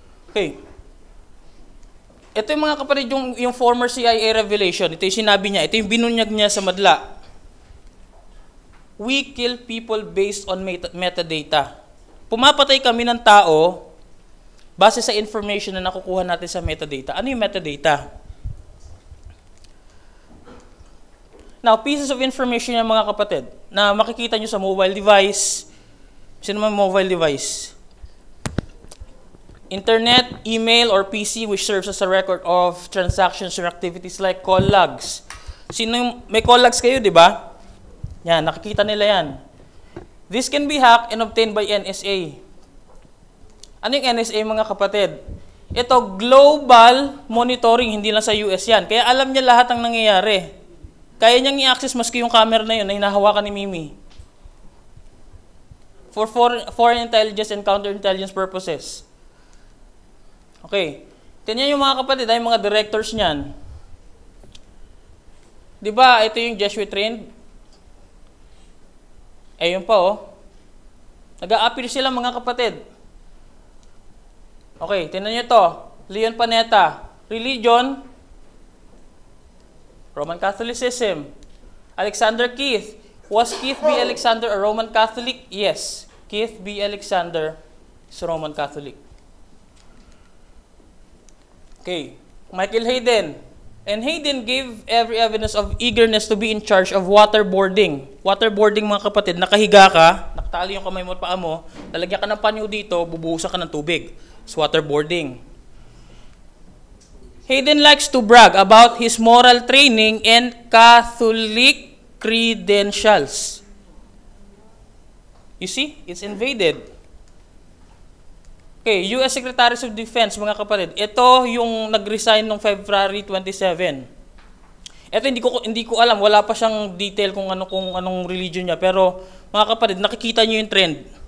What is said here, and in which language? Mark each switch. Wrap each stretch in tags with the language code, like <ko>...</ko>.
<tl>Okay. Ito yung mga kapatid, yung former CIA revelation. Ito yung sinabi niya. Ito yung binunyag niya sa madla.</tl> <en>We kill people based on metadata.</en> <tl>Pumapatay kami ng tao base sa information na nakukuha natin sa metadata. Ano yung metadata? Now,</tl> <en>pieces of information</en> <tl>yung mga kapatid na makikita nyo sa mobile device. Sino may mobile device?</tl> <en>Internet, email, or PC which serves as a record of transactions or activities like call logs.</en> <tl>Sino yung, may call logs kayo, di ba? Yan, nakikita nila yan.</tl> <en>This can be hacked and obtained by NSA.</en> <tl>Ano yung NSA mga kapatid? Ito,</tl> <en>global monitoring,</en> <tl>hindi lang sa US yan. Kaya alam niya lahat ang nangyayari. Kaya niyang i-access maski yung camera na yun na hinahawakan ni Mimi.</tl> <en>For foreign intelligence and counterintelligence purposes. Okay.</en> <tl>Tinyan yung mga kapatid, yung mga directors niyan. Di ba, ito yung Jesuit trained. Ayun pa oh. Nag-a-appear sila mga kapatid. Okay, tinan nyo to. Leon Panetta. Religion.</tl> <en>Roman Catholicism. Alexander Keith. Was Keith B. Alexander a Roman Catholic? Yes. Keith B. Alexander is Roman Catholic. Okay. Michael Hayden. And Hayden gave every evidence of eagerness to be in charge of waterboarding.</en> <tl>Waterboarding mga kapatid, nakahiga ka, nakatali yung kamay mo at paa mo, lalagyan ka ng panyo dito, bubuhusan ka ng tubig.</tl> <en>It's waterboarding. Hayden likes to brag about his moral training and Catholic credentials. You see, it's invaded. Okay, U.S.</en> <tl>Secretary of Defense, mga kapatid. Ito yung nag-resign noong February 27. Ito, hindi ko alam. Wala pa siyang detail kung anong religion niya. Pero, mga kapatid, nakikita niyo yung trend.</tl>